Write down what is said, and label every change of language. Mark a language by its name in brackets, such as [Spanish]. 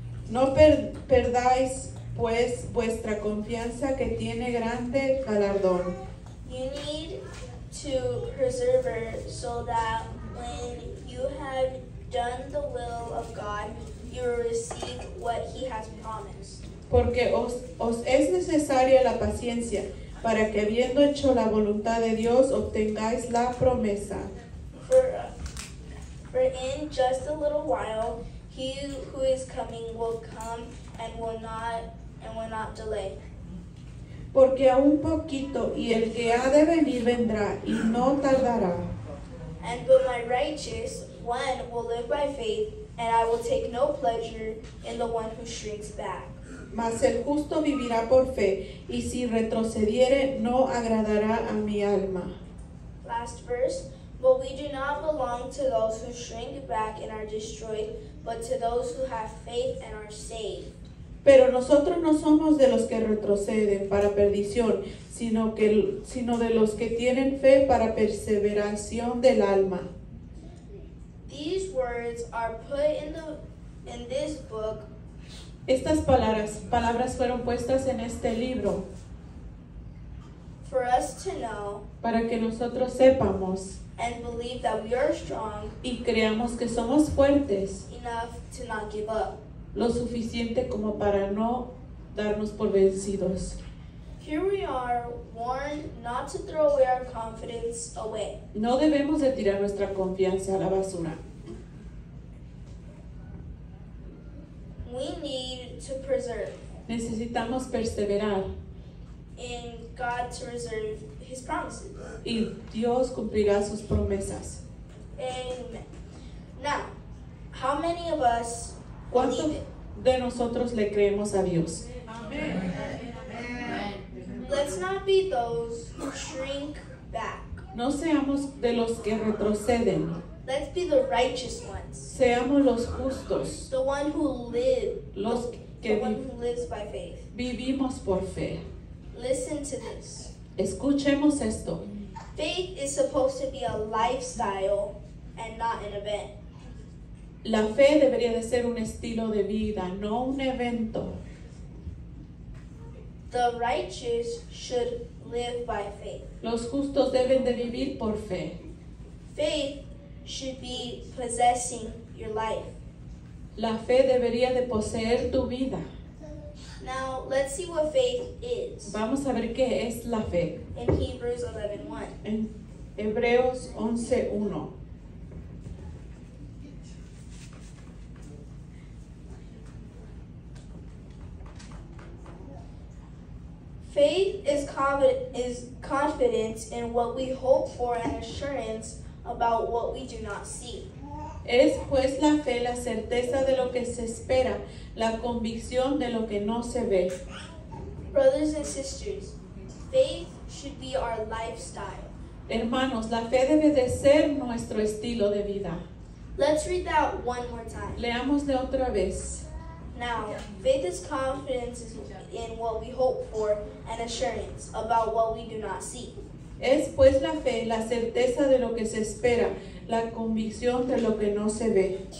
[Spanish] No perdáis, pues, vuestra confianza que tiene grande galardón. [English] You need to preserve her so that when you have done the will of God, you will receive what he has promised. [Spanish] Porque os es necesaria la paciencia para que habiendo hecho la voluntad de Dios, obtengáis la promesa. [English] For in just a little while, he who is coming will come and will not delay. [Spanish] Porque a un poquito, y el que ha de venir vendrá, y no tardará. [English] And but my righteous one will live by faith, and I will take no pleasure in the one who shrinks back. [Spanish] Mas el justo vivirá por fe, y si retrocediere, no agradará a mi alma. [English] Last verse. But we do not belong to those who shrink back and are destroyed, but to those who have faith and are saved. [Spanish] Pero nosotros no somos de los que retroceden para perdición, sino de los que tienen fe para perseveración del alma. [English] These words are put in this book. [Spanish] Estas palabras fueron puestas en este libro. [English] For us to know. [Spanish] Para que nosotros sepamos. [English] And believe that we are strong. [Spanish] Y creamos que somos fuertes. [English] Enough to not give up. [Spanish] Lo suficiente como para no darnos por vencidos. [English] Here we are warned not to throw away our confidence away. [Spanish] No debemos de tirar nuestra confianza a la basura. [English] We need to preserve. [Spanish] Necesitamos perseverar. [English] In God to reserve his promises. [Spanish] Y Dios cumplirá sus promesas. [English] Amen. Now, how many of us [Spanish] ¿cuántos de nosotros le creemos a Dios? [English] Amen. Let's not be those who shrink back. [Spanish] No seamos de los que retroceden. [English] Let's be the righteous ones. [Spanish] Seamos los justos. [English] The one who lives. [Spanish] Los que [English] the one who lives by faith. [Spanish] Vivimos por fe. [English] Listen to this. [Spanish] Escuchemos esto. [English] Faith is supposed to be a lifestyle and not an event. [Spanish] La fe debería de ser un estilo de vida, no un evento. [English] The righteous should live by faith. [Spanish] Los justos deben de vivir por fe. [English] Faith should be possessing your life. [Spanish] La fe debería de poseer tu vida. [English] Now, let's see what faith is. [Spanish] Vamos a ver qué es la fe. [English] In Hebrews 11:1. [Spanish] En Hebreos 11:1. [English] Faith is confidence in what we hope for and assurance about what we do not see. [Spanish] Es pues la fe la certeza de lo que se espera, la convicción de lo que no se ve. [English] Brothers and sisters, faith should be our lifestyle. [Spanish] Hermanos, la fe debe de ser nuestro estilo de vida. [English] Let's read that one more time. [Spanish] Leámosle otra vez. [English] Now, faith is confidence in what we hope for and assurance about what we do not see. [Spanish] Es pues la fe, la certeza de lo que se espera, la convicción de lo que no se ve.